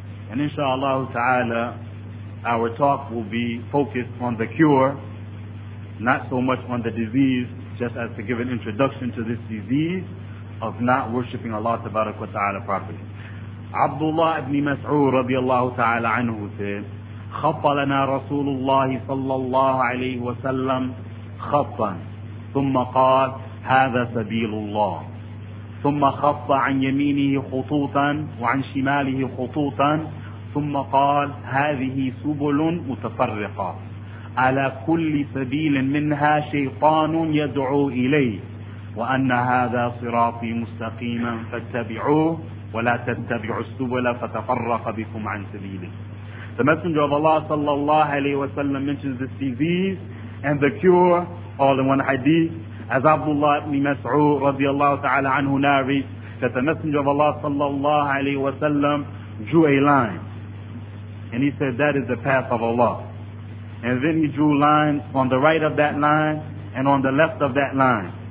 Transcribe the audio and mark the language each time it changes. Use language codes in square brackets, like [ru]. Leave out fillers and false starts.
[en] And inshallah ta'ala, our talk will be focused on the cure, not so much on the disease, just as to give an introduction to this disease of not worshipping Allah tabarak wa ta'ala properly. Abdullah ibn Mas'ud radiallahu ta'ala anhu said, [ar] خط لنا رسول الله صلى الله عليه وسلم خطا ثم قال هذا سبيل الله، ثم خط عن يمينه خطوطا وعن شماله خطوطا ثم قال هذه سبل متفرقة على كل سبيل منها شيطان يدعو إليه، وأن هذا صراطي مستقيما فاتبعوه ولا تتبعوا السبل فتفرق بكم عن سبيله. [en] The Messenger of Allah صلى الله عليه وسلم mentions this disease and the cure all in one hadith. As Abdullah ibn Mas'ud radiallahu ta'ala anhu narrates that the Messenger of Allah sallallahu alayhi wa sallam drew a line. And he said, that is the path of Allah. And then he drew lines on the right of that line and on the left of that line.